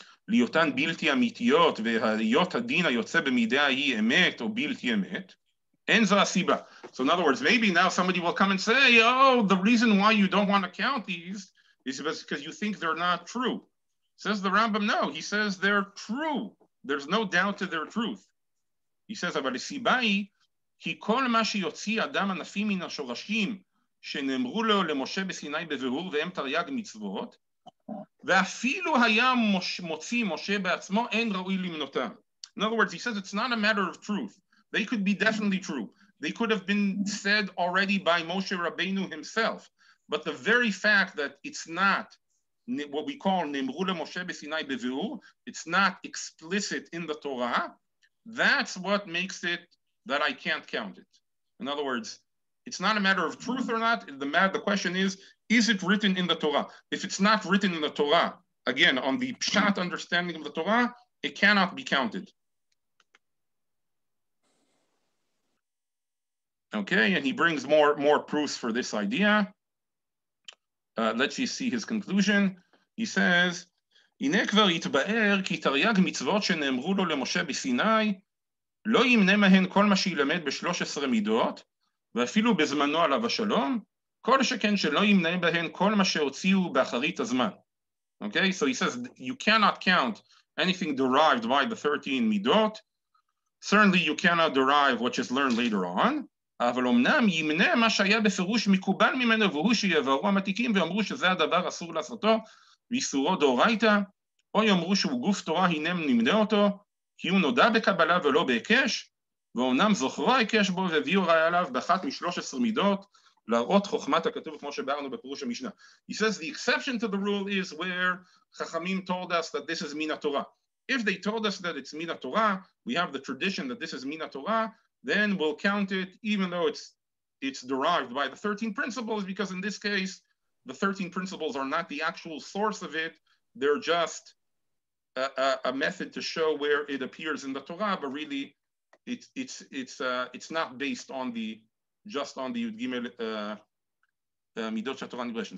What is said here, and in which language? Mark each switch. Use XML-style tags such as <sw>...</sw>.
<he>ליותן בלתי אמיתיות והיות הדין היוצא במידה היא אמת או בלתי אמת, אין זו הסיבה.</he> <en>So in other words, maybe now somebody will come and say, oh, the reason why you don't want to count these is because you think they're not true. Says the Rambam, no, he says they're true. There's no doubt to their truth. He says,</en> <he>אבל הסיבה היא, כי כל מה שיוציא אדם ענפים מן השורשים שנאמרו לו למשה בסיני בבירור והם תרי"ג מצוות, ואפילו היה מוציא משה בעצמו, אין ראוי למנותם.</he> <en>In other words, he says it's not a matter of truth. They could be definitely true. They could have been said already by Moshe Rabbeinu himself. But the very fact that it's not what we call</en> <he>Nemru leMoshe beSinai beVirur,</he> <en>it's not explicit in the Torah, that's what makes it that I can't count it. In other words, it's not a matter of truth or not. The question is it written in the Torah? If it's not written in the Torah, again, on the Pshat understanding of the Torah, it cannot be counted. Okay, and he brings more proofs for this idea. Let's just see his conclusion. He says,</en> <he>הנה כבר יתבאר כי תרי"ג מצוות שנאמרו לו למשה בסיני, לא ימנה מהן כל מה שילמד ב-13 מידות, ואפילו בזמנו עליו השלום, כל שכן שלא ימנה בהן כל מה שהוציאו באחרית הזמן.</he> <en>Okay, so he says, you cannot count anything derived by the 13 מידות. Certainly you cannot derive what is learned later on.</en> <he>אבל אמנם ימנה מה שהיה בפירוש מקובל ממנו, והוא שיבררו המתיקים ואמרו שזה הדבר אסור לעשותו, ואיסורו דאורייתא, או יאמרו שהוא גוף תורה, הנה נמנה אותו, כי הוא נודע בקבלה ולא בהיקש, ואמנם זוכרו ההיקש בו והביאו ראיה עליו באחת מ-13 מידות, להראות חוכמת הכתוב כמו שבארנו בפירוש המשנה.</he> <en>He says, the exception to the rule is where חכמים told us that this is מן התורה. If they told us that it's מן התורה, we have the tradition that this is מן התורה, then we'll count it even though it's derived by the 13 principles, because in this case, the 13 principles are not the actual source of it, they're just a method to show where it appears in the Torah, but really it's not based on the, just on the Yud Gimel Midot Shatorah Nidreshet.</en>